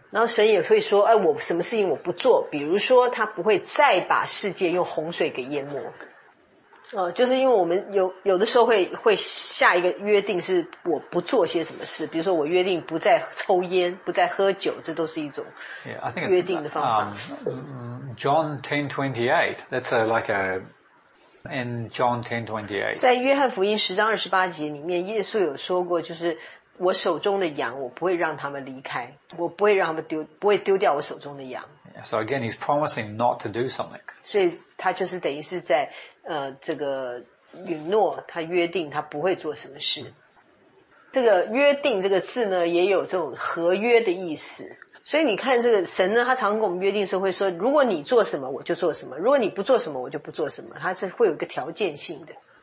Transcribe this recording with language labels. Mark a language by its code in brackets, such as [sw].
[zh] 然后神也会说，哎，我什么事情我不做，比如说他不会再把世界用洪水给淹没。就是因为我们有的时候会下一个约定是我不做些什么事，比如说我约定不再抽烟，不再喝酒，这都是一种约定的方法。 [en] John 10:28, that's like a, in John 10:28. [zh] 在约翰福音10章28节里面，耶稣有说过，就是我手中的羊我不会让他们离开，我不会让他们不会丢掉我手中的羊。 [en] So again, he's promising not to do something. [zh] 所以他就是等于是在这个允诺，他约定他不会做什么事。这个约定这个字呢，也有这种合约的意思。所以你看这个神呢，他常跟我们约定的时候会说，如果你做什么我就做什么，如果你不做什么我就不做什么，他是会有一个条件性的。